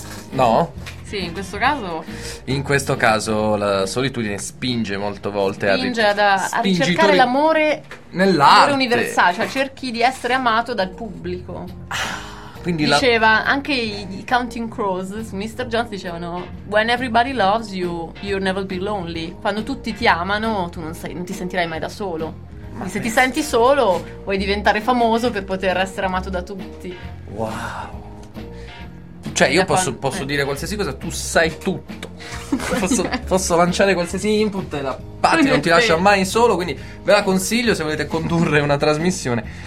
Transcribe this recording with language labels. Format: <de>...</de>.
<it>No? Sì, in questo caso. In questo caso la solitudine spinge molte volte a ricercare l'amore nell'arte. L'amore universale, cioè cerchi di essere amato dal pubblico. Quindi diceva anche i Counting Crows su Mr. Jones, dicevano:</it> <en>"When everybody loves you, you'll never be lonely."</en> <it>Quando tutti ti amano, tu non ti sentirai mai da solo. Ma se ti senti solo, vuoi diventare famoso per poter essere amato da tutti. Wow. cioè io posso dire qualsiasi cosa, tu sai tutto. posso lanciare qualsiasi input e la patria non ti lascia mai solo, quindi ve la consiglio se volete condurre una trasmissione.</it>